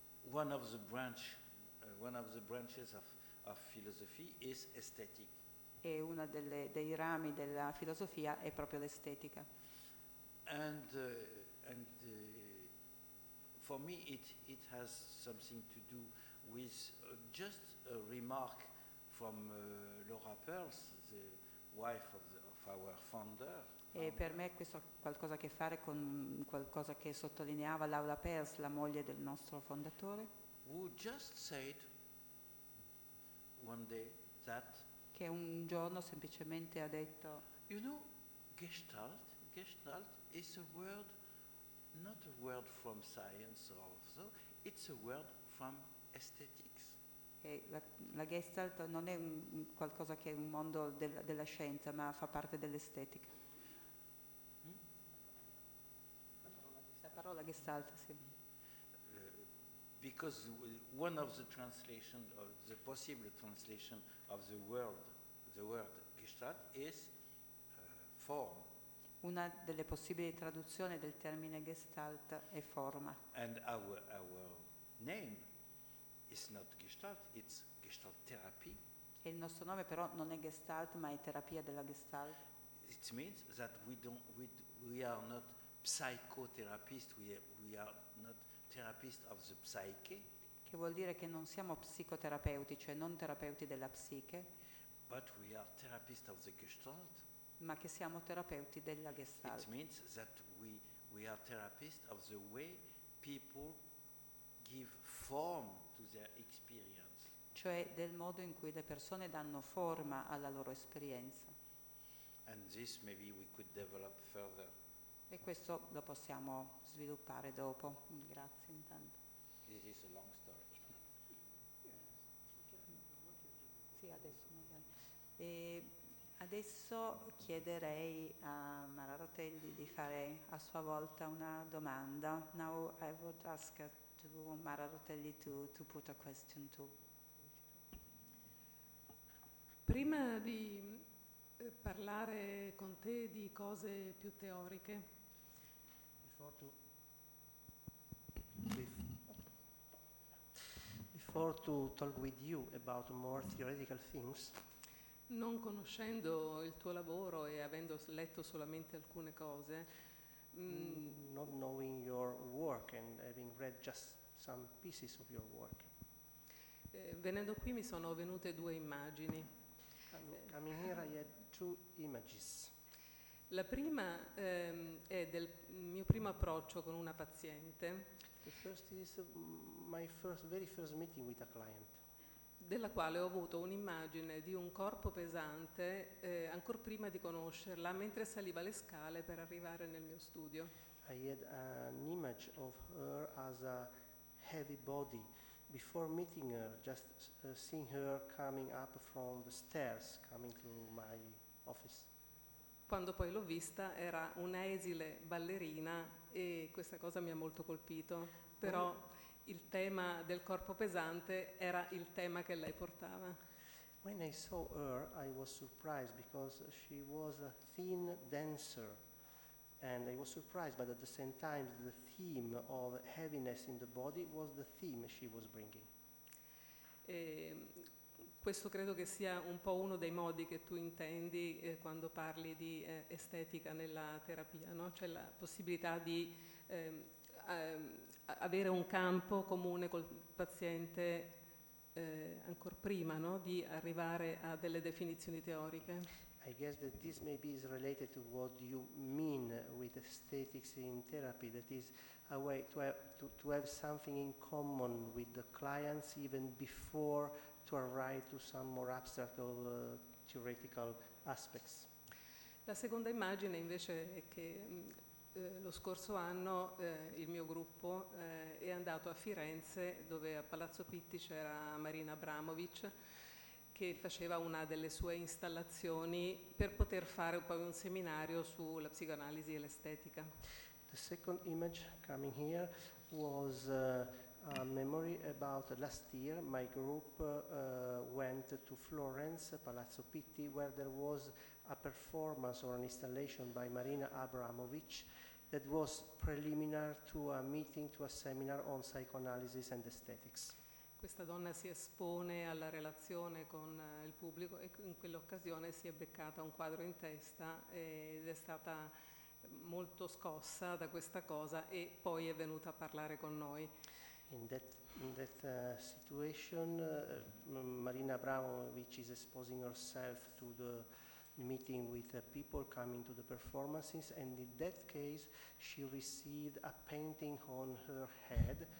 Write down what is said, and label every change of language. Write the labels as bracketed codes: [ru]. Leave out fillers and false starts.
[en] One of the branches of philosophy is aesthetic. [it] E una dei rami della filosofia è proprio l'estetica. [en] And for me it has something to do with just a remark from Laura Perls, the wife of our founder. [it] E per me questo ha qualcosa a che fare con qualcosa che sottolineava Laura Perls, la moglie del nostro fondatore. [en] Who just said one day that [it] che un giorno semplicemente ha detto, [en] you know, gestalt is a word, not a word from science or so, it's a word from aesthetics. [it] E la gestalt non è qualcosa che è un mondo della scienza, ma fa parte dell'estetica. La parola gestalt, sì. [en] Because one of the translation of the possible translation of the word, the word gestalt is form. [it] Una delle possibili traduzioni del termine gestalt è forma. [en] And our name is not gestalt, it's gestalt therapy. [it] E il nostro nome però non è gestalt, ma è terapia della gestalt. [en] It means that we are not psychotherapists, we are not therapists of the psyche. [it] Che vuol dire che non siamo psicoterapeuti, cioè non terapeuti della psiche. [en] But we are therapists of the gestalt. [it] Ma che siamo terapeuti della gestalt. [en] It means that we are therapists of the way people give form to their experience. [it] Cioè del modo in cui le persone danno forma alla loro esperienza. [en] And this maybe we could develop further. [it] E questo lo possiamo sviluppare dopo. Grazie intanto. [en] This is a long story. [it] Sì, adesso magari. E adesso chiederei a Mara Rotelli di fare a sua volta una domanda. [en] Now I would ask to Mara Rotelli to put a question to. [it] Prima di parlare con te di cose più teoriche. [en] Before to talk with you about more theoretical things. [it] Non conoscendo il tuo lavoro e avendo letto solamente alcune cose, [en] not knowing your work and having read just some pieces of your work. [it] Venendo qui mi sono venute due immagini. [en] Coming here I had two images. [it] La prima è del mio primo approccio con una paziente. [en] The first is my first, very first meeting with a client. [it] della quale ho avuto un'immagine di un corpo pesante ancora prima di conoscerla, mentre saliva le scale per arrivare nel mio studio. [en] I had an image of her as a heavy body before meeting her, just seeing her coming up from the stairs, coming to my office. [it] Quando poi l'ho vista era un'esile ballerina e questa cosa mi ha molto colpito, però il tema del corpo pesante era il tema che lei portava. [en] When I saw her, I was surprised because she was a thin dancer, and I was surprised, but at the same time the theme of heaviness in the body was the theme she was bringing. [it] Questo credo che sia un po' uno dei modi che tu intendi quando parli di estetica nella terapia, no? Cioè la possibilità di avere un campo comune col paziente ancora prima, no? Di arrivare a delle definizioni teoriche. [en] I guess that this maybe is related to what you mean with aesthetics in therapy, that is a way to have something in common with the clients even before to arrive to some more abstract or theoretical aspects. [it] La seconda immagine invece è che lo scorso anno il mio gruppo è andato a Firenze, dove a Palazzo Pitti c'era Marina Abramovic, che faceva una delle sue installazioni per poter fare poi un seminario sulla psicoanalisi e l'estetica. [en] The second image coming here was a memory about last year my group went to Florence, Palazzo Pitti, where there was a performance or an installation by Marina Abramovic that was preliminary to a meeting, to a seminar on psychoanalysis and aesthetics. [it] Questa donna si espone alla relazione con il pubblico e in quell'occasione si è beccata un quadro in testa ed è stata molto scossa da questa cosa e poi è venuta a parlare con noi. [en] In that situation, Marina Abramovic is exposing herself to the meeting with people coming to the performances, and in that case she received a painting on her head.